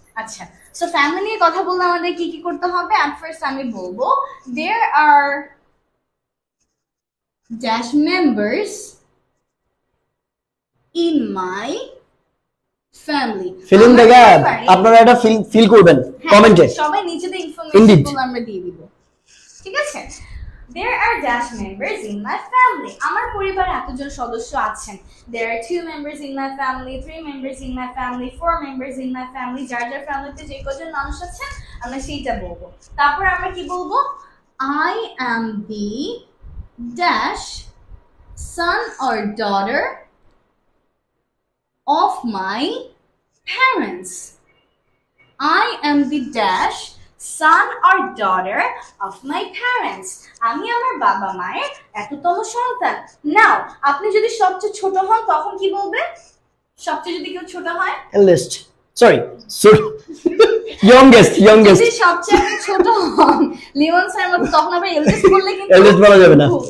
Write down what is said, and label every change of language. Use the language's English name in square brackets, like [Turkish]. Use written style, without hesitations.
[Bangla] আচ্ছা, so family নিয়ে কথা বললে আমাদের কি কি করতে হবে, অ্যাট ফার্স্ট আমি বলবো [English] there are dash members in my family [Bangla] feeling দেখে আপনারা একটা ফিল ফিল করবেন কমেন্টে, সবাই নিজেদের ইনফরমেশনগুলো আমরা দিয়ে দিব, ঠিক আছে? [English] There are dash members in my family. [Bangla] আমার পরিবারে এতজন সদস্য আছেন। [English] There are two members in my family, three members in my family, four members in my family. [Bangla] যার যার ফ্যামিলিতে যে কজন মানুষ আছেন আমরা সেইটা বলবো। তারপর আমরা কি বলবো? [English] I am the dash son or daughter of my parents. I am the dash son or daughter of my parents. [Bangla] আমি আমার বাবা মায়ের এততম সন্তান। নাও আপনি যদি সবচেয়ে ছোট হন তখন কি বলবেন? সবচেয়ে যদি কেউ ছোট হয়, [English] eldest, sorry, youngest, [Bangla] যদি সবচেয়ে ছোট হন লিওন স্যার মত, তখন আবার eldest বললে কিন্তু eldest বলা যাবে না,